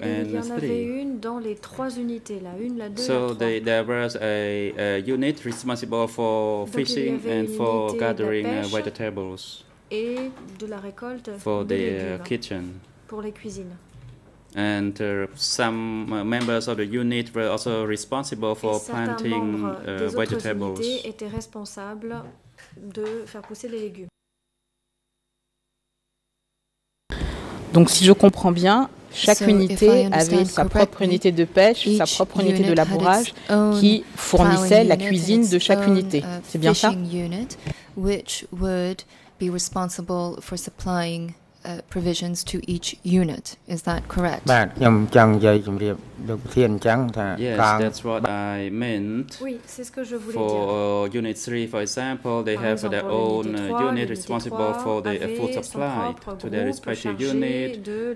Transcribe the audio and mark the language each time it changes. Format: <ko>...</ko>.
<fr>Il y en avait une dans les trois unités là, une, la deux,</fr> <en>so So there was a unit responsible for fishing and for gathering vegetables.</en> <fr>Et de la récolte</fr> <en>for the kitchen.</en> <fr>Pour les cuisines.</fr> <en>And some members of the unit were also responsible for planting vegetables.</en> <fr>Certains membres étaient responsables de faire pousser les légumes. Donc, si je comprends bien, chaque unité avait sa propre unité de pêche, sa propre unité de labourage qui fournissait la cuisine de chaque unité. C'est bien ça?</fr> <en>Which would be responsible for supplying provisions to each unit. Is that correct? Yes, that's what I meant.</en> <fr>Oui, c'est ce que je voulais</fr> <en>for</en> <fr>dire.</fr> <en>Unit 3, for example, they have their own unit responsible for the food supply to their respective unit,</en>